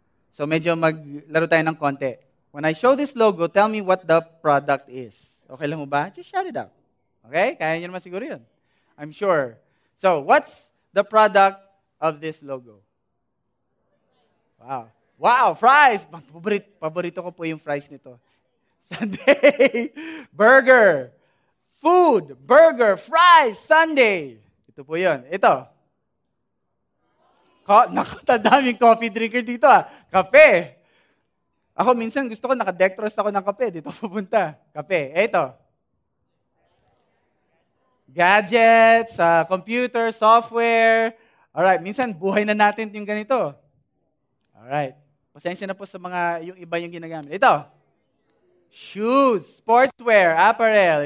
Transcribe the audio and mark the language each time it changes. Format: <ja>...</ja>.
<tl>So medyo maglaro tayo ng konti.</tl> <en>When I show this logo, tell me what the product is.</en> <tl>Okay lang mo ba?</tl> <en>Just shout it out.</en> <tl>Okay? Kaya nyo naman siguro yun.</tl> <en>I'm sure. So, what's the product of this logo?</en> <tl>Wow. Wow, fries! Paborito ko po yung fries nito.</tl> <en>Sunday! Burger! Food! Burger! Fries! Sunday!</en> <tl>Ito po yun.</tl> <en>Ito.</en> <tl>Nakatadaming coffee drinker dito ah. Kape! Ako minsan gusto ko naka-dextrose ako ng kape. Dito pupunta. Kape. Ito.</tl> <en>Gadgets, computer, software.</en> <tl>Alright, minsan buhay na natin yung ganito. Alright. Pasensya na po sa mga yung iba yung ginagamit. Ito.</tl> <en>Shoes, sportswear, apparel.</en>